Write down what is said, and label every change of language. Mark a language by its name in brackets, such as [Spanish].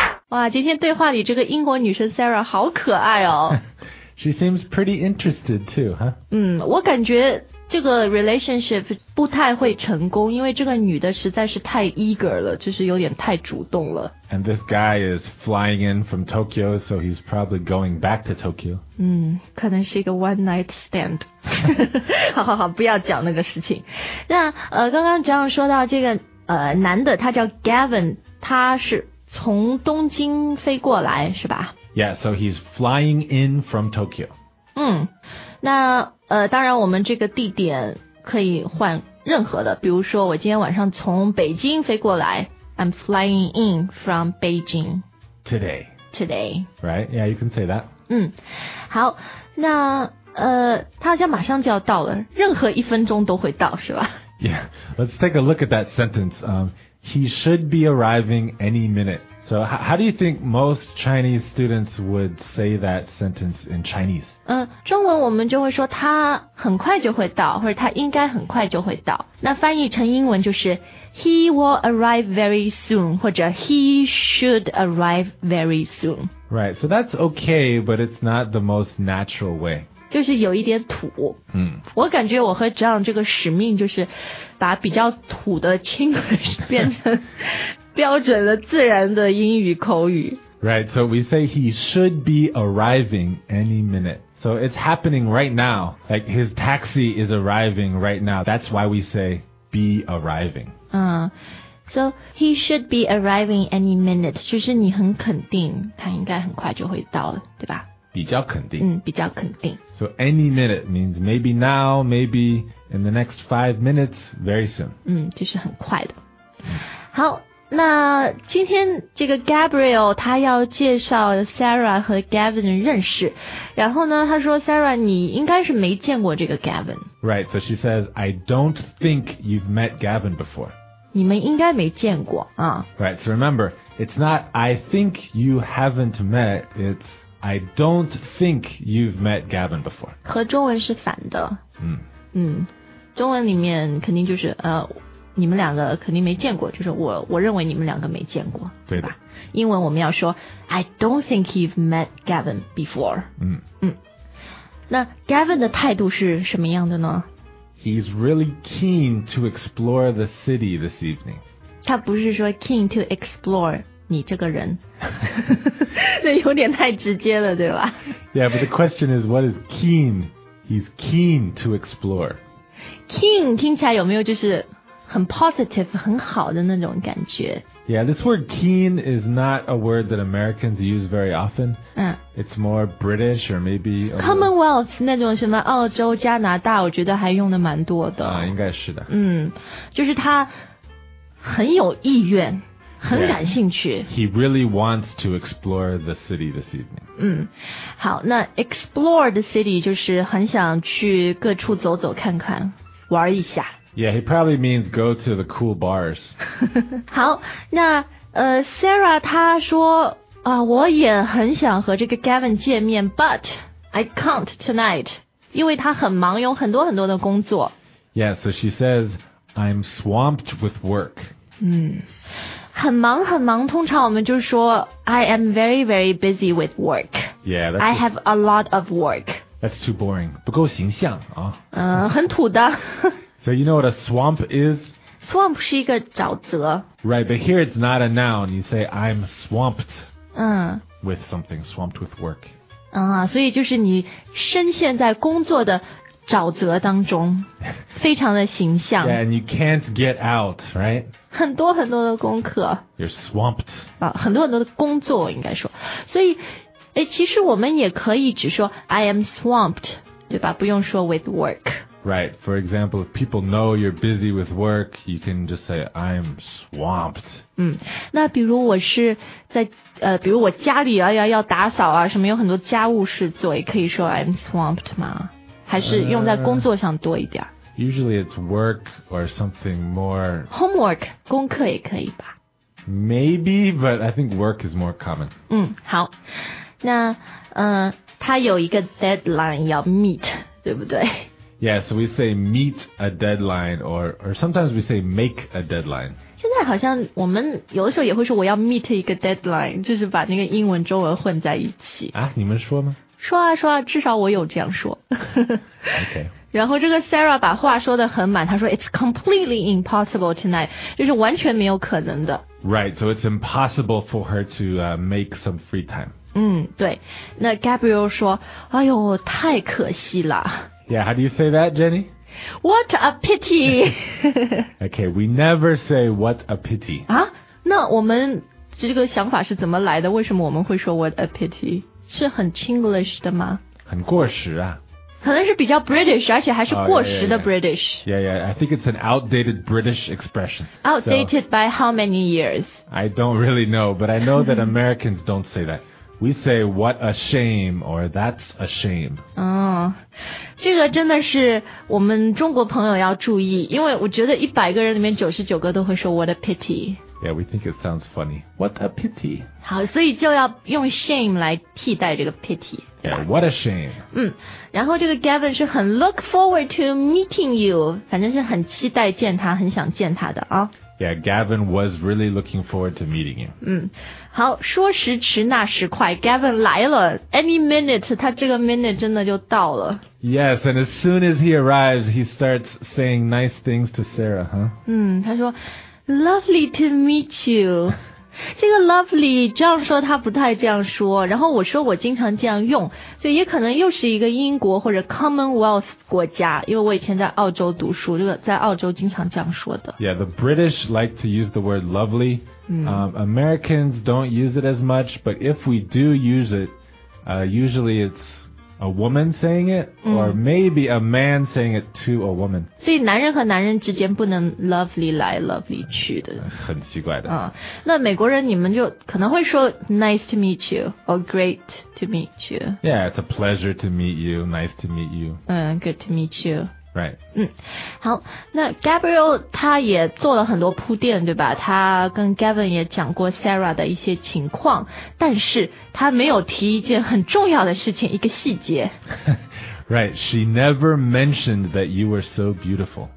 [Chinese] Wow, 今天对话里这个英国女生 Sarah 好可爱哦。 [English] She seems pretty interested too, huh? [Chinese] 我感觉这个 relationship 不太会成功，因为这个女的实在是太 eager 了，就是有点太主动了。 [English] And this guy is flying in from Tokyo, so he's probably going back to Tokyo. [Chinese] 可能是一个 [English] one night stand. [Chinese] 好好好，不要讲那个事情。那刚刚John说到这个男的，他叫 Gavin， 他是从东京飞过来，是吧？ [English] Yeah, so he's flying in from Tokyo. [Chinese] 那当然我们这个地点可以换任何的，比如说我今天晚上从北京飞过来， [English] I'm flying in from Beijing today. Right, yeah, you can say that. [Chinese] 好，那他好像马上就要到了，任何一分钟都会到，是吧？ [English] Yeah, let's take a look at that sentence. He should be arriving any minute. So how do you think most Chinese students would say that sentence in Chinese? [Chinese] 中文我们就会说他很快就会到，或者他应该很快就会到。那翻译成英文就是 [English] He will arrive very soon, [Chinese] 或者 [English] He should arrive very soon. Right, so that's okay, but it's not the most natural way. [Chinese] 就是有一点土。我感觉我和 John 这个使命就是把比较土的 English 变成标准的自然的英语口语。 [English] Right, so we say he should be arriving any minute. So it's happening right now. Like his taxi is arriving right now. That's why we say be arriving. So he should be arriving any minute. [Chinese] 就是你很肯定他应该很快就会到了，对吧？比较肯定。比较肯定。 [English] So any minute means maybe now, maybe in the next 5 minutes, very soon. [Chinese] 就是很快的。好。那今天这个 Gabriel 他要介绍 Sarah 和 Gavin 认识，然后呢他说 Sarah 你应该是没见过这个 Gavin。 [English] Right, so she says I don't think you've met Gavin before. [Chinese] 你们应该没见过啊。 [English] Right, so remember, it's not I think you haven't met, it's I don't think you've met Gavin before. [Chinese] 和中文是反的。中文里面肯定就是你们两个肯定没见过，就是我认为你们两个没见过，对吧？英文我们要说 [English] I don't think you've met Gavin before. [Chinese] 那 Gavin 的态度是什么样的呢？ [English] He's really keen to explore the city this evening. [Chinese] 他不是说 [English] keen to explore [Chinese] 你这个人，那有点太直接了，对吧？ [English] Yeah, but the question is, what is keen? He's keen to explore. [Chinese] Keen 听起来有没有就是很 positive 很好的那种感觉。 [English] Yeah, this word keen is not a word that Americans use very often. It's more British or maybe... [Chinese] Commonwealth, 那种什么澳洲、加拿大，我觉得还用的蛮多的。应该是的。就是他很有意愿。很感兴趣。 [English] Yeah. He really wants to explore the city this evening. [Chinese] 好，那 explore the city 就是很想去各处走走看看，玩一下。 [English] Yeah, he probably means go to the cool bars. [Chinese] 好，那Sarah 她说我也很想和这个 Gavin 见面 ， [English] but I can't tonight. [Chinese] 因为他很忙，有很多很多的工作。 [English] Yeah, so she says I'm swamped with work. [Chinese] 很忙很忙，通常我们就说 [English] I am very very busy with work. Yeah, I have a lot of work. That's too boring. [Chinese] 不够形象啊。很土的。 [English] So you know what a swamp is? [Chinese] Swamp 是一个沼泽。 [English] Right, but here it's not a noun. You say I'm swamped. With something, swamped with work. [Chinese] 所以就是你深陷在工作的沼泽当中，非常的形象。 [English] Yeah, and you can't get out, right? [Chinese] 很多很多的功课 [English] You're swamped. [Chinese] 很多很多的工作应该说。所以其实我们也可以只说 [English] I am swamped, [Chinese] 对吧不用说 with work. [English] Right, for example, if people know you're busy with work, you can just say I'm swamped. [Chinese] 那比如我是在比如我家里要打扫啊什么有很多家务事做也可以说 [English] I'm swamped [Chinese] 吗还是用在工作上多一点 [English] Usually it's work or something more... [Chinese] Homework, 功课也可以吧。 [English] Maybe, but I think work is more common. [Chinese] 好。那他有一个 deadline 要 meet, 对不对 [English] Yeah, so we say meet a deadline or sometimes we say make a deadline. [Chinese] 现在好像我们有的时候也会说我要 meet 一个 deadline, 就是把那个英文中文混在一起。你们说吗说啊说啊至少我有这样说。 [English] okay. [Chinese] 然后这个 Sarah 把话说得很满她说 [English] It's completely impossible tonight [Chinese] 就是完全没有可能的 [English] Right, so it's impossible for her to make some free time [Chinese] 对那 Gabriel 说哎呦太可惜了 [English] Yeah, how do you say that, Jenny? What a pity Okay, we never say what a pity [Chinese] 那我们这个想法是怎么来的为什么我们会说 [English] what a pity [Chinese] 是很 Chinglish 的吗很过时啊可能是比较 British, 而且还是过时的 British. [English] Yeah, I think it's an outdated British expression. Outdated by how many years? I don't really know, but I know that Americans don't say that. We say, what a shame, or that's a shame. [Chinese] 这个真的是我们中国朋友要注意因为我觉得100个人里面99个都会说 [English] what a pity. Yeah, we think it sounds funny. What a pity. [Chinese] 好所以就要用 shame 来替代这个 pity. [English] Yeah, what a shame. [Chinese] 然后这个 Gavin 是很 [English] look forward to meeting you. [Chinese] 反正是很期待见他很想见他的啊。 [English] Yeah, Gavin was really looking forward to meeting you. [Chinese] 好说时迟那时快 Gavin 来了 [English] Any minute, [Chinese] 他这个 minute 真的就到了。 [English] Yes, and as soon as he arrives, he starts saying nice things to Sarah, huh? [Chinese] 他说 [English] lovely to meet you. [Chinese] 这个 lovely 这样说他不太这样说然后我说我经常这样用所以也可能又是一个英国或者 commonwealth 国家因为我以前在澳洲读书这个在澳洲经常这样说的 [English] Yeah, the British like to use the word lovely Americans don't use it as much but if we do use it usually it's a woman saying it or maybe a man saying it to a woman [Chinese] 所以男人和男人之间不能 lovely 来 lovely 去的很奇怪的那美国人你们就可能会说 [English] nice to meet you or great to meet you yeah it's a pleasure to meet you nice to meet you good to meet you right [Chinese] 好那 Gabriel 他也做了很多铺垫对吧他跟 Gavin 也讲过 Sarah 的一些情况但是他没有提一件很重要的事情一个细节 [English] right she never mentioned that you were so beautiful